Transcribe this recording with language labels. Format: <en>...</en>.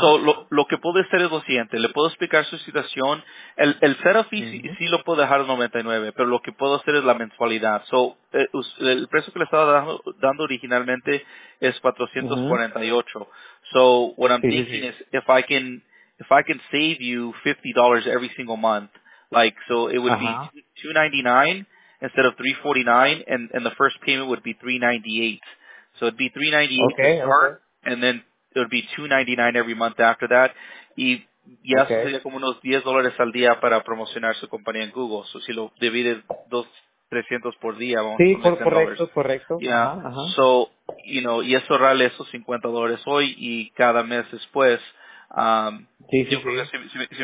<es>So, lo que puedo hacer es lo siguiente. Le puedo explicar su situación. El</es> <en>set of fees,</en> <es>uh-huh, sí lo puedo dejar en 99, pero lo que puedo hacer es la mensualidad. So, el precio que le estaba dando originalmente es 448.</es> <en>Uh-huh. So, what I'm thinking is, if I can save you $50 every single month, like, so it would, uh-huh, be $299 instead of $349, and the first payment would be $398. So it'd be $398, okay, start, okay, and then it would be $299 every month after that.</en> <es>Y ya, okay, sería como unos $10 al día para promocionar su compañía en Google. So si lo divide 300 por día, vamos, sí, a comer $10. Correcto. Yeah. Uh-huh.</es> <en>So, you know,</en> <es>y eso ahorrarle esos $50 hoy y cada mes después. Yo creo que</es>